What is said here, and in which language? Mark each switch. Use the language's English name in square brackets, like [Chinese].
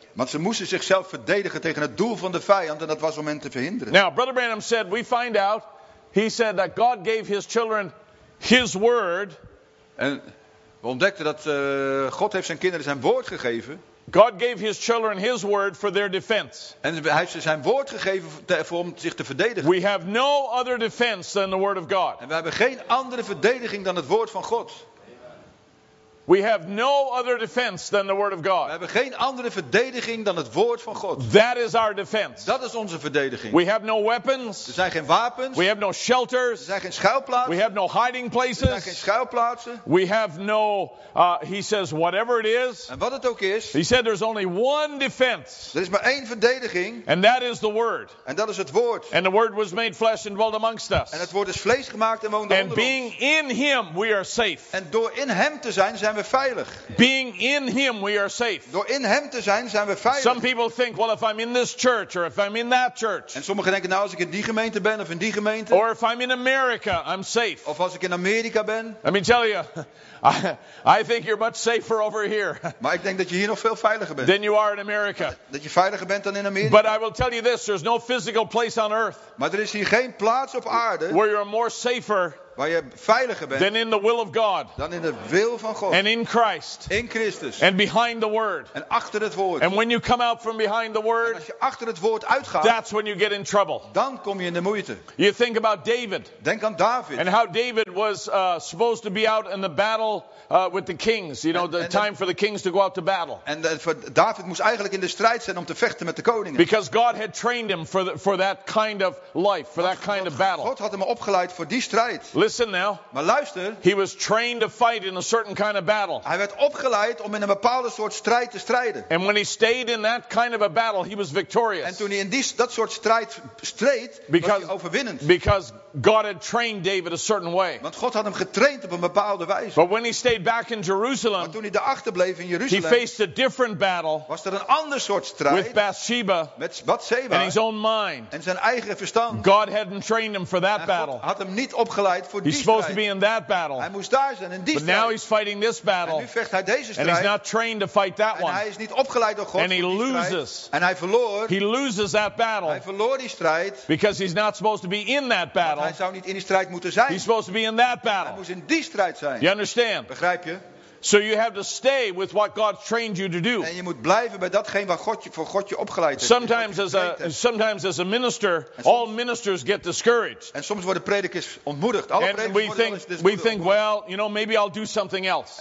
[Dutch] Want ze moesten zichzelf verdedigen tegen het doel van de vijand, en dat was om hen te verhinderen. [English] Now, Brother Branham said, we find out, he said that God gave his children his word. [Dutch] En we ontdekten dat God heeft zijn kinderen zijn woord gegeven. [English] God gave his children his word for their defense. [Dutch] En hij heeft ze zijn woord gegeven om zich te verdedigen. [English] We have no other defense than the word of God. [Dutch] En we hebben geen andere verdediging dan het woord van God. [English] We have no other defense than the word of God. [Dutch] We hebben geen andere verdediging dan het woord van God. [English] That is our defense. [Dutch] Dat is onze verdediging. [English] We have no weapons. [Dutch] Er zijn geen wapens. [English] We have no shelters. [Dutch] Er zijn geen schuilplaatsen. [English] We have no hiding places. [Dutch] Er zijn geen schuilplaatsen. [English] We have no he says whatever it is. [Dutch] En wat het ook is. [English] He said there's only one defense. [Dutch] Er is maar één verdediging. [English] And that is the word. [Dutch] En dat is het woord. [English] And the word was made flesh and dwelt amongst us. [Dutch] En het woord is vlees gemaakt en woonde onder ons. [English] And being in him we are safe. [Dutch] En door in hem te zijn zijn we veilig. [English] Being in him we are safe. [Dutch] Door in hem te zijn zijn we veilig. [English] Some people think, well, if I'm in this church or if I'm in that church. [Dutch] En sommigen denken, nou, als ik in die gemeente ben of in die gemeente. [English] Or if I'm in America, I'm safe. [Dutch] Of als ik in Amerika ben. [English] Let me tell you, I think you're much safer over here. [Dutch] Maar ik denk dat je hier nog veel veiliger bent. [English] Than you are in America. [Dutch] Dat je veiliger bent dan in Amerika. [English] But I will tell you this, there's no physical place on earth. [Dutch] Maar er is hier geen plaats op aarde. [English] Where you're more safer. [Dutch] Waar je veiliger bent [English] than in the will of God. [Dutch] Dan in de wil van God. [English] And in Christ. [Dutch] In Christus. [English] And behind the word. [Dutch] En achter het woord. [English] And when you come out from behind the word. [Dutch] En als je achter het woord uitgaat. [English] That's when you get in trouble. [Dutch] Dan kom je in de moeite. [English] You think about David. [Dutch] Denk aan David. [English] And how David was supposed to be out in the battle with the kings. You know, time for the kings to go out to battle. [Dutch] En David moest eigenlijk in de strijd zijn om te vechten met de koningen. [English] Because God had trained him for that kind of life, for that kind of battle. [Dutch] God had hem opgeleid voor die strijd. [English] Listen now. [Dutch] Maar luister. [English] He was trained to fight in a certain kind of battle. [Dutch] Hij werd opgeleid om in een bepaalde soort strijd te strijden. [English] And when he stayed in that kind of a battle, he was victorious. [Dutch] En toen hij in dat soort strijd streed, was hij overwinnend. [English] Because God had trained David a certain way. [Dutch] Want God had hem getraind op een bepaalde wijze. [English] But when he stayed back in Jerusalem, [Dutch] maar toen hij daarachter bleef in Jeruzalem, [English] he faced a different battle. [Dutch] Was er een ander soort strijd? [English] With Bathsheba. [Dutch] Met Bathsheba. [English] In his own mind. [Dutch] En zijn eigen verstand. [English] God hadn't trained him for that battle. [Dutch] Had hem niet opgeleid. [English] He's supposed to be in that battle. [Dutch] Hij moest daar zijn, in die [English] but [Dutch] strijd. [English] Now he's fighting this battle. [Dutch] En nu vecht hij deze strijd. [English] And he's not trained to fight that one. [Dutch] En hij is niet opgeleid door God. [English] And he loses. [Dutch] En hij verloor. [English] He loses that battle. [Dutch] Hij verloor die strijd. [English] Because he's not supposed to be in that battle. [Dutch] Want hij zou niet in die strijd moeten zijn. [English] He's supposed to be in that battle. [Dutch] Hij moest in die strijd zijn. [English] You understand? [Dutch] Begrijp je? [English] So you have to stay with what God trained you to do. [Dutch] En je moet blijven bij datgene wat God je voor God je opgeleid heeft. [English] Sometimes as a minister, all ministers get discouraged. [Dutch] En soms worden predikers ontmoedigd. Alle predikers worden ontmoedigd. [English] We think, well, you know, maybe I'll do something else.